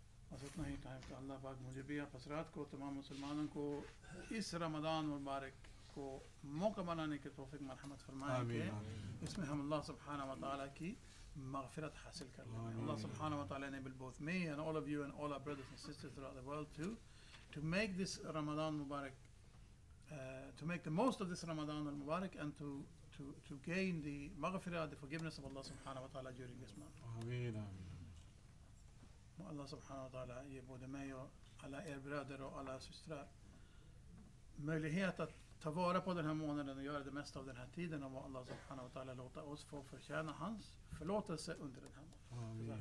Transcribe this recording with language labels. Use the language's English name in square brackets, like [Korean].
[Urdu] بس اتنا ہی ٹائم تھا. اللہ پاک مجھے بھی آپ حضرات کو, تمام مسلمانوں کو اس رمضان مبارک کو موقع بنانے کے توفیق مرحمت فرمائے. آمین, آمین. اس میں ہم اللہ سبحانہ وتعالی کی مغفرت حاصل کر لیں. [English] Allah subhanahu wa ta'ala enable both me and all of you and all our brothers and sisters throughout the world to make this Ramadan Mubarak, to make the most of this Ramadan Mubarak, and to gain the maghfirah, the forgiveness of Allah subhanahu wa ta'ala during this month. [Arabic] Ameen, ameen. [Swedish] Allah subhanahu wa ta'ala ge både mig och alla er bröder och alla systrar möjlighet att ta vara på den här månaden och göra det mesta av den här tiden och vad Allah subhanahu wa ta'ala låta oss få förtjäna hans förlåtelse under den här månaden.